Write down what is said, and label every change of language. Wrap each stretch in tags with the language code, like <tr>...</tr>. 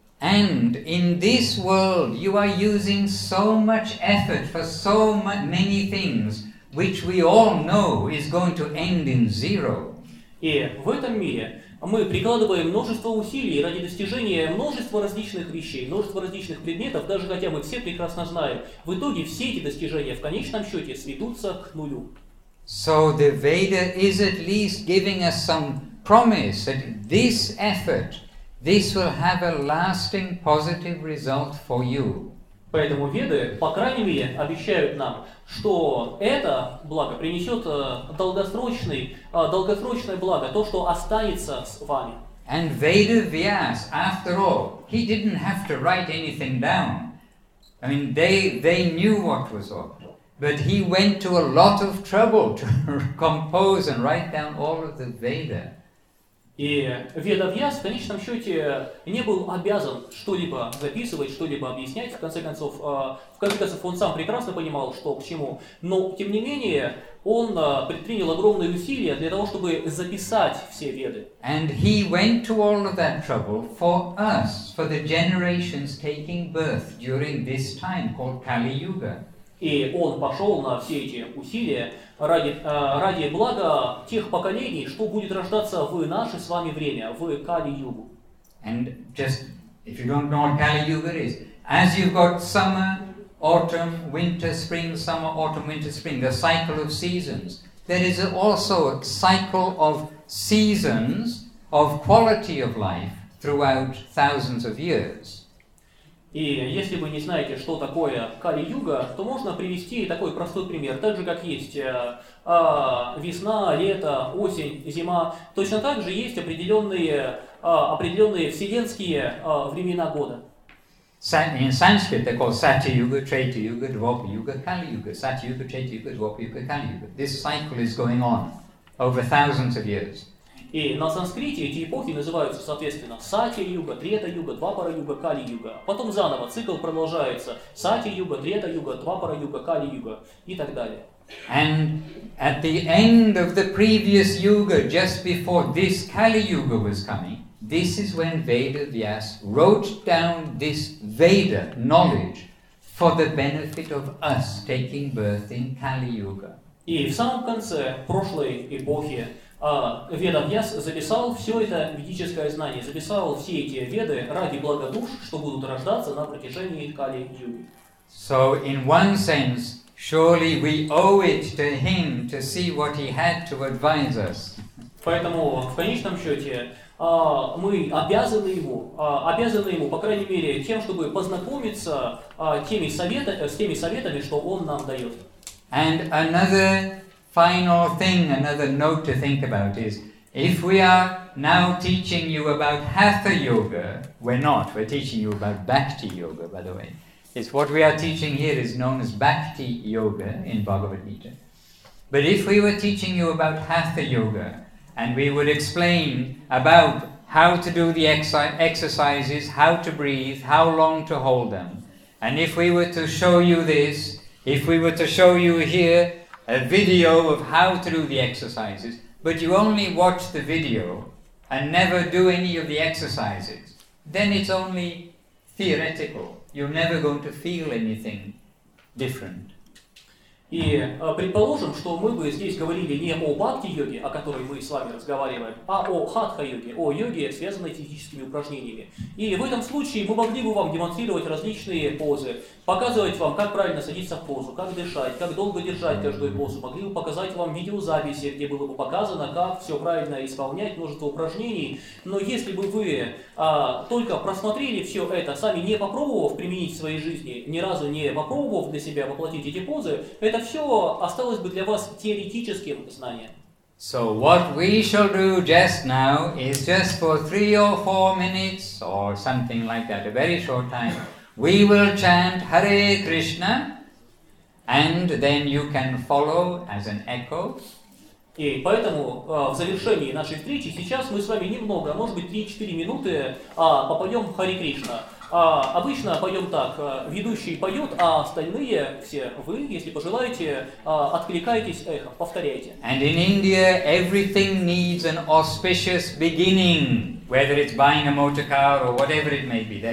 <en>And in this world you are using so much effort for so many things, which we all know is going to end in zero.</en> <ru>И в этом мире мы прикладываем множество усилий ради достижения множества различных вещей, множества различных предметов, даже хотя мы все прекрасно знаем. В итоге все эти достижения в конечном счете сведутся к нулю.</ru> <en>So the Veda is at least giving us some promise that this effort, this will have a lasting positive result for you.</en> <ru>Поэтому Веды, по крайней мере, обещают нам, что это благо принесет долгосрочное благо, то, что останется с вами.</ru> <en>And Veda Vyas, after all, he didn't have to write anything down. I mean, they knew what was up. But he went to a lot of trouble to compose and write down all of the Veda.</en> <ru>И Ведавьяс в конечном счете не был обязан что-либо записывать, что-либо объяснять. В конце концов, он сам прекрасно понимал, что к чему. Но, тем не менее, он предпринял огромные усилия для того, чтобы записать все Веды.</ru> <en>And he went to all of that trouble for us, for the generations taking birth during this time called Kali-Yuga.</en> <ru>И он пошел на все эти усилия ради блага тех поколений, что будет рождаться в наше с вами время, в Кали-Югу.</ru> <en>And just, if you don't know what Kali-Yuga is, as you've got summer, autumn, winter, spring, summer, autumn, winter, spring, the cycle of seasons, there is also a cycle of seasons of quality of life throughout thousands of years.</en> <ru>И если вы не знаете, что такое Кали-Юга, то можно привести такой простой пример. Так же, как есть весна, лето, осень, зима, точно так же есть определенные вселенские времена года.</ru> <en>In Sanskrit they call Satya-Yuga, Treta-Yuga, Dvapara-Yuga, Kali-Yuga. Satya-Yuga, Treta-Yuga, Dvapara-Yuga, Kali-Yuga. This cycle is going on over thousands of years.</en> <ru>И на санскрите эти эпохи называются, соответственно, Сатья-юга, Трета-юга, Двапара-юга, Кали-юга. Потом заново цикл продолжается: Сатья-юга, Трета-юга, Двапара-юга, Кали-юга и так далее.</ru> <en>And at the end of the previous yuga, just before this Kali-yuga was coming, this is when Veda Vyas wrote down this Veda knowledge for the benefit of us taking birth in Kali-yuga.</en> <ru>И в самом конце прошлой эпохи Ведавьяс записал все это ведическое знание, записал все эти веды ради блага душ, что будут рождаться на протяжении Кали-юги.</ru> <en>So in one sense, surely we owe it to him to see what he had to advise us.</en> <ru>Поэтому в конечном счете мы обязаны ему, по крайней мере, тем, чтобы познакомиться с теми советами, что он нам дает.</ru> <en>And another final thing, another note to think about is, if we are now teaching you about Hatha Yoga, we're not, we're teaching you about Bhakti Yoga, by the way. It's what we are teaching here is known as Bhakti Yoga in Bhagavad Gita. But if we were teaching you about Hatha Yoga, and we would explain about how to do the exercises, how to breathe, how long to hold them, and if we were to show you this, if we were to show you here, a video of how to do the exercises, but you only watch the video and never do any of the exercises, then it's only theoretical. You're never going to feel anything different.</en> <ru>И предположим, что мы бы здесь говорили не о бхакти-йоге, о которой мы с вами разговариваем, а о хатха-йоге, о йоге, связанной с физическими упражнениями. И в этом случае мы могли бы вам демонстрировать различные позы, показывать вам, как правильно садиться в позу, как дышать, как долго держать каждую позу, могли бы показать вам видеозаписи, где было бы показано, как все правильно исполнять, множество упражнений. Но если бы вы только просмотрели все это, сами не попробовав применить в своей жизни, ни разу не попробовав для себя воплотить эти позы, это все осталось бы для вас теоретическим знанием.</ru> <en>So what we shall do just now is just for 3 or 4 minutes or something like that, a very short time, we will chant Hare Krishna, and then you can follow as an echo.</en> <ru>И поэтому в завершении нашей встречи сейчас мы с вами немного, может быть 3-4 минуты, попоем Хари Кришна. Обычно поем так, ведущий поет, а остальные все вы, если пожелаете, откликайтесь эхом, повторяйте.</ru> <en>And in India everything needs an auspicious beginning, whether it's buying a motor car or whatever it may be.</en>